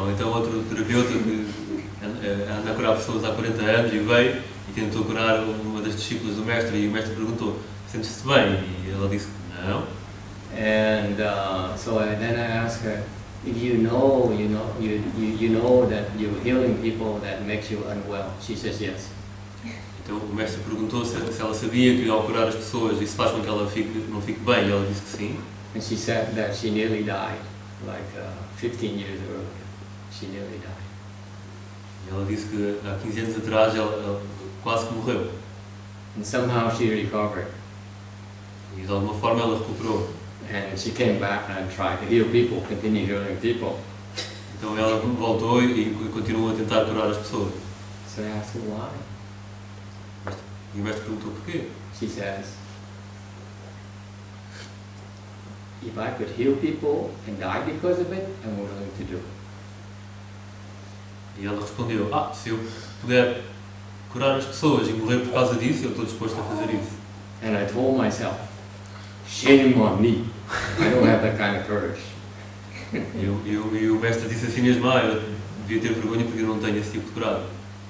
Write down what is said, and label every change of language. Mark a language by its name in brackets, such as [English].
[Portuguese] Ou então outro terapeuta que anda a curar pessoas há 40 anos e veio e tentou curar uma das discípulas do mestre e o mestre perguntou, sentes-te bem? E ela disse, não. [English] And so I, then I ask her, if you know, you know, you know that you're healing people that makes you unwell. She says yes. [Portuguese] Então o mestre perguntou se ela sabia que ao curar as pessoas isso faz com que ela não fique bem. E ela disse que sim. [English] And she said that she nearly died, like 15 years earlier. She nearly died. [Portuguese] E ela disse que há 15 anos atrás ela quase que morreu. [English] And somehow she recovered. [Portuguese] E de alguma forma ela recuperou. [English] And she came back and tried to heal people, continue healing people. [Portuguese] Então ela voltou e continuou a tentar curar as pessoas. [English] So I asked why. [Portuguese] E o mestre perguntou porquê. [English] She says, if I could heal people and die because of it, I'm willing to do it. [Portuguese] E ela respondeu, se eu puder curar as pessoas e morrer por causa disso, eu estou disposto a fazer isso. [English] And I told myself, shame on me. I don't have that kind of courage. [Portuguese] E o mestre disse assim mesmo, eu devia ter vergonha porque eu não tenho esse tipo de coragem.